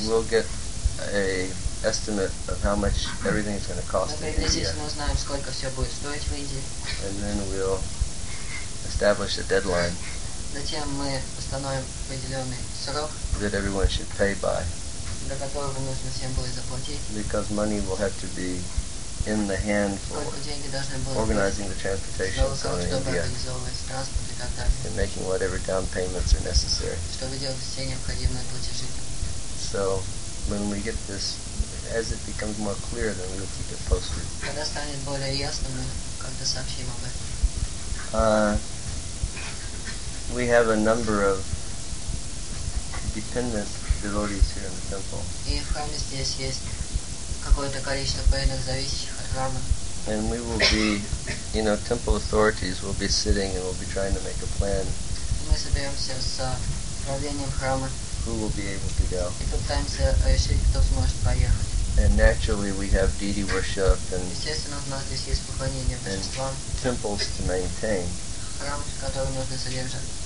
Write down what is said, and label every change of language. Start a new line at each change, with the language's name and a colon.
English: We'll get a estimate of how much everything is going to cost in India.
Russian: Мы приблизительно узнаем, сколько все будет стоить в Индии.
English: And then we'll establish a deadline.
Russian: Затем мы установим определенный срок,
English: that everyone should pay by,
Russian: до которого нужно всем будет заплатить,
English: because money will have to be in the hand for organizing the transportation in India and making whatever down payments are necessary.
Russian: Чтобы делать все необходимые платежи.
English: So, when we get this, as it becomes more clear, then we will keep it posted.
Russian: Когда станет более ясно, мы как-то сообщим об этом.
English: We have a number of dependent devotees here in the temple.
Russian: И в храме здесь есть какое-то количество преданных, зависящих от храма.
English: And we will be, you know, temple authorities will be sitting and will be trying to make a plan.
Russian: Мы собираемся с управлением храма.
English: Who will be able to go?
Russian: И пытаемся решить, кто сможет поехать.
English: And naturally, we have deity worship and.
Russian: Естественно, у нас здесь есть поклонение божествам.
English: Temples to maintain.
Russian: Храм, который нужно содержать.